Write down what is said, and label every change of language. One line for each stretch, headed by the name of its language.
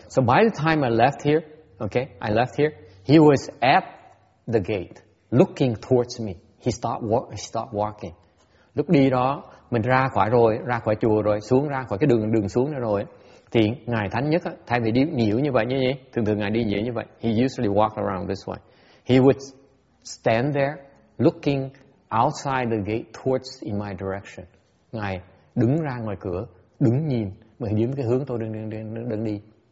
English: So by the time I left here, okay, I left here, he was at the gate looking towards me. He stopped walking.
Vietnamese: Lúc đi đó mình ra khỏi chùa rồi xuống ra khỏi cái đường xuống đó rồi, thì ngài thánh nhất thay vì đi nhiễu như vậy, như thường thường ngài đi nhiễu như vậy,
English: he usually walked around this way, he would stand there looking outside the gate towards in my direction.
Vietnamese: Ngài đứng ra ngoài cửa, đứng nhìn mà hướng cái hướng tôi đang đi.